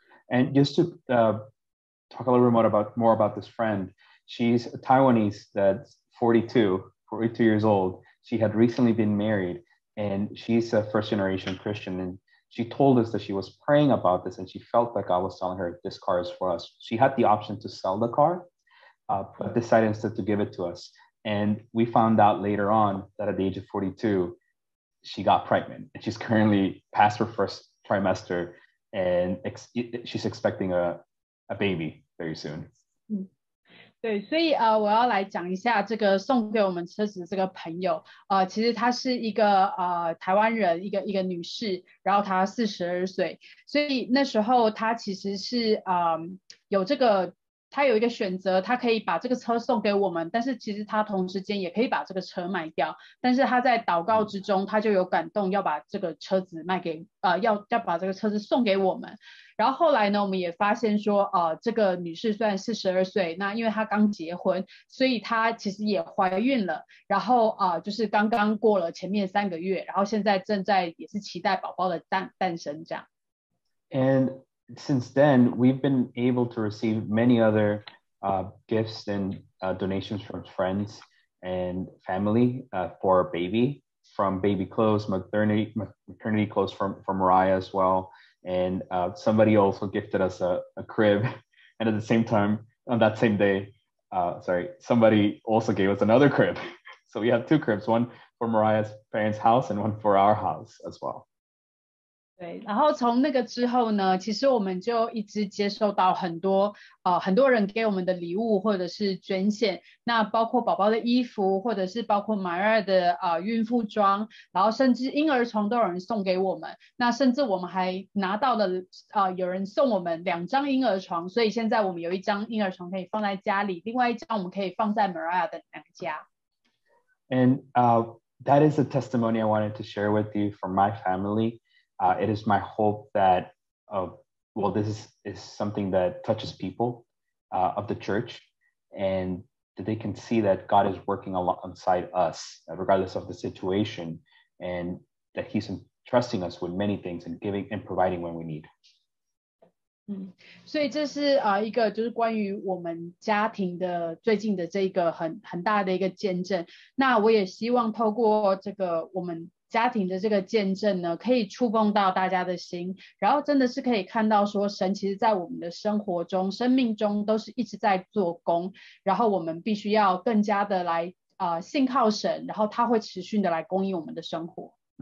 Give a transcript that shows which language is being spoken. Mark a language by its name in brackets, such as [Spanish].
[English] And just to talk a little bit more about this friend. She's a Taiwanese that's 42 years old. She had recently been married and she's a first generation Christian. And she told us that she was praying about this and she felt that God was telling her this car is for us. She had the option to sell the car, but decided instead to give it to us. And we found out later on that at the age of 42, she got pregnant and she's currently past her first trimester and she's expecting a baby very soon. [Chinese] 对，所以我要来讲一下这个送给我们车子的这个朋友。其实她是一个台湾人，一个女士，然后她42岁，所以那时候她其实是有这个，她有一个选择，她可以把这个车送给我们，但是其实她同时间也可以把这个车卖掉。但是她在祷告之中，她就有感动要把这个车子卖给要把这个车子送给我们。然后后来呢，我们也发现说，这个女士虽然42岁，那因为她刚结婚，所以她其实也怀孕了，然后就是刚刚过了前面3个月，然后现在正在也是期待宝宝的诞生这样。 [English] And since then, we've been able to receive many other gifts and donations from friends and family for a baby, from baby clothes, maternity clothes for Mariah as well. And somebody also gifted us a crib. And at the same time, on that same day, somebody also gave us another crib. So we have two cribs, one for Mariah's parents' house and one for our house as well. [Chinese] 对，然后从那个之后呢，其实我们就一直接受到很多人给我们的礼物或者是捐献，那包括宝宝的衣服，或者是包括 Mariah 的孕妇装，然后甚至婴儿床都有人送给我们，那甚至我们还拿到了有人送我们2张婴儿床，所以现在我们有一张婴儿床可以放在家里，另外一张我们可以放在 Mariah 的娘家。 [English] And that is a testimony I wanted to share with you from my family. It is my hope that, this is something that touches people of the church, and that they can see that God is working alongside us, regardless of the situation, and that he's entrusting us with many things and giving and providing when we need. [Chinese] 嗯，所以这是一个就是关于我们家庭的最近的这个很大的一个见证。那我也希望透过这个我们家庭的这个见证呢，可以触碰到大家的心，然后真的是可以看到说神其实在我们的生活中、生命中都是一直在做工，然后我们必须要更加的来信靠神，然后他会持续的来供应我们的生活。